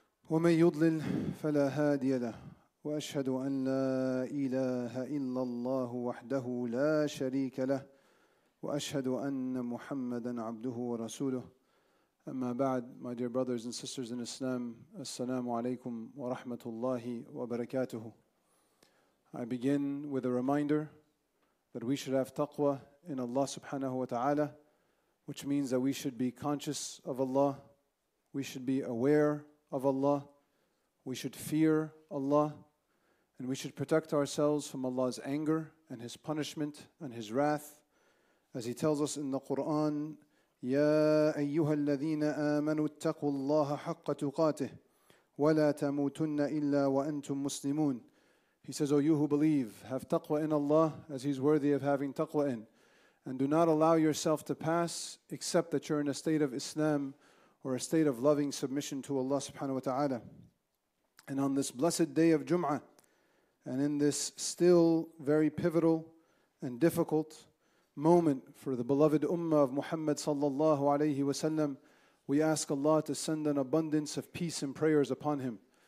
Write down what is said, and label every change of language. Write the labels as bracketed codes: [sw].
[ar] ومن يضلل فلا هادي له وأشهد أن لا إله إلا الله وحده لا شريك له وأشهد أن محمدا عبده ورسوله [en] Amma ba'd, my dear brothers and sisters in Islam, Assalamu alaikum wa rahmatullahi wa barakatuhu. I begin with a reminder that we should have taqwa in Allah subhanahu wa ta'ala, which means that we should be conscious of Allah, we should be aware of Allah, we should fear Allah, and we should protect ourselves from Allah's anger and His punishment and His wrath. As He tells us in the Quran, [ar] يا أيها الذين آمنوا اتقوا الله حق تقاته ولا تموتن إلا وأنتم مسلمون. [en] He says, O you who believe, have taqwa in Allah as He's worthy of having taqwa in, and do not allow yourself to pass except that you're in a state of Islam or a state of loving submission to Allah subhanahu wa ta'ala. And on this blessed day of Jum'ah, and in this still very pivotal and difficult moment for the beloved Ummah of Muhammad sallallahu alayhi wa sallam, we ask Allah to send an abundance of peace and prayers upon him.